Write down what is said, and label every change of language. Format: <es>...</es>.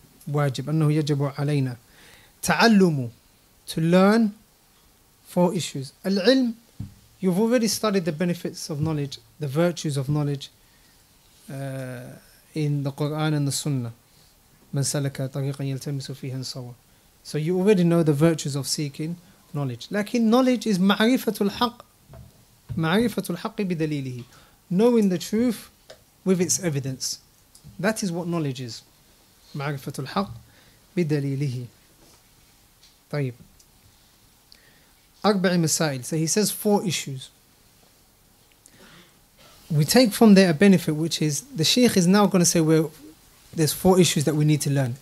<ar>Wajib. أنه يجب علينا. تعلموا.</ar> <en>To learn. Four issues.</en> <ar>العلم.</ar> <en>You've already studied the benefits of knowledge, the virtues of knowledge in the Qur'an and the Sunnah.</en> <ar>مَنْ سَلَكَ طَرِيقًا يَلْتَمِسُ فِيهَا نَصَوَى.</ar> <en>So you already know the virtues of seeking knowledge.</en> <ar>لكن</ar> <en>knowledge is</en> <ar>مَعْرِفَةُ الْحَقِّ بِدَلِيلِهِ.</ar> <en>Knowing the truth with its evidence. That is what knowledge is.</en> <ar>مَعْرِفَةُ الْحَقِّ بِدَلِيلِهِ. طيب. أربع مسائل.</ar> <en>So he says four issues. We take from there a benefit, which is the Sheikh is now going to say, well, there's four issues that we need to learn.</en>